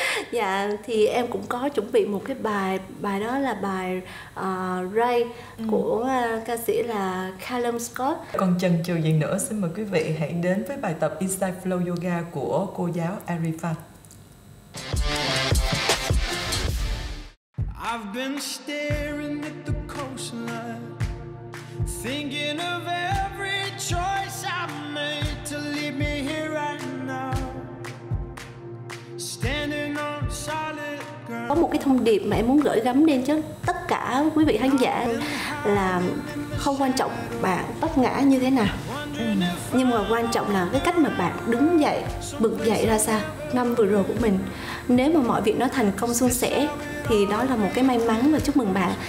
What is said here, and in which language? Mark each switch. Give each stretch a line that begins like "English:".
Vietnamese: Dạ, thì em cũng có chuẩn bị một cái bài. Bài đó là bài Ray của ca sĩ là Callum Scott. Còn chần chừ gì nữa, xin mời quý vị hãy đến với bài tập Inside Flow Yoga của cô giáo Arifa.
English: I've been staring at the coastline, thinking of every choice I've made to leave me here right now, standing on solid ground.
Vietnamese: Có một cái thông điệp mà em muốn gửi gắm đến cho tất cả quý vị khán giả là không quan trọng bạn vấp ngã như thế nào, nhưng mà quan trọng là cái cách mà bạn đứng dậy, bực dậy ra sao năm vừa rồi của mình. Nếu mà mọi việc nó thành công suôn sẻ thì đó là một cái may mắn và chúc mừng bạn.